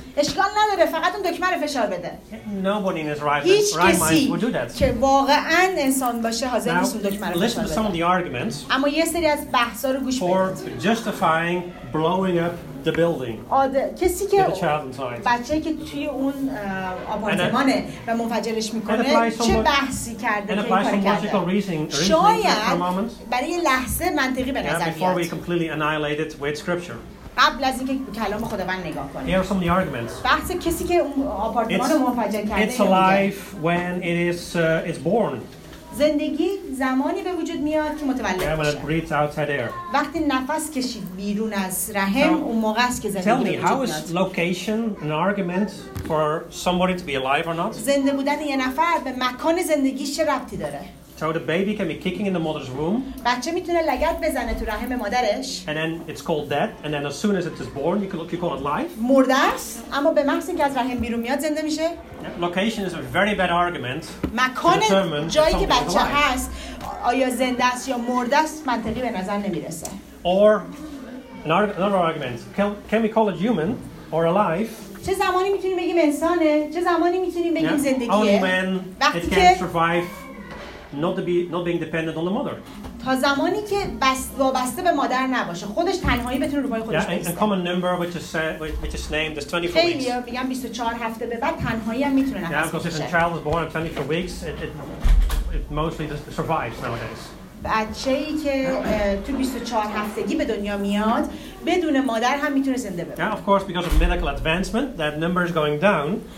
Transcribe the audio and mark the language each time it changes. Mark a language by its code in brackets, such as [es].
[fa] اشکال نداره فقط اون دکمه رو فشار بده [en] nobody in his right mind would do that [fa] که واقعا انسان باشه حاضر نیست اون دکمه رو فشار بده [en] listen to some of the arguments [fa] اما یه سری از بحثا رو گوش بده [en] for justifying blowing up the building [fa] کسی که بچه‌ای که توی اون آپارتمانه و منفجرش میکنه چه بحثی کرده که این کار کرده شاید برای یه لحظه منطقی به نظر میاد [en] before we completely annihilate it with scripture [fa] قبل از اینکه کلام خداوند نگاه کنیم [en] here are some of the arguments [fa] بحث کسی که اون آپارتمانو منفجر کرده [en] it's alive when it is it's born [fa] زندگی زمانی به وجود میاد که متولد میشه وقتی نفس کشید بیرون از رحم اون موقع است که زندگی به وجود میاد [en] tell me how is location an argument for somebody to be alive or not [fa] زنده بودن یه نفر به مکان زندگیش چه ربطی داره [en] So the baby can be kicking in the mother's womb. [fa] بچه میتونه لگد بزنه تو رحم مادرش. [en] And then it's called death. And then as soon as it is born, you call it life. [fa] مرده است. اما به محض اینکه از رحم بیرون میاد زنده میشه. [en] Location is a very bad argument. [fa] مکان جایی که بچه هست آیا زنده است یا مرده است منطقی به نظر نمیرسه. [en] Or another argument. Can we call it human or alive? [fa] چه زمانی میتونیم بگیم انسانه؟ چه زمانی میتونیم بگیم زندگیه؟ [en] Only when it can survive. Not being dependent on the mother. [fa] تا زمانی که وابسته به مادر نباشه، خودش تنهایی بتونه روپای خودش بسازه. [en] A common number which is named is 24 weeks. [fa] خیلی میگن 24 هفته به بعد تنهایی هم میتونه نفس بکشه. [en] Because if a child is born at 24 weeks, it mostly just survives nowadays. [fa] بچه‌ای که تو 24 هفتگی به دنیا میاد، بدون مادر هم میتونه زنده بمونه. [en] Of course because of medical advancement that number is going down.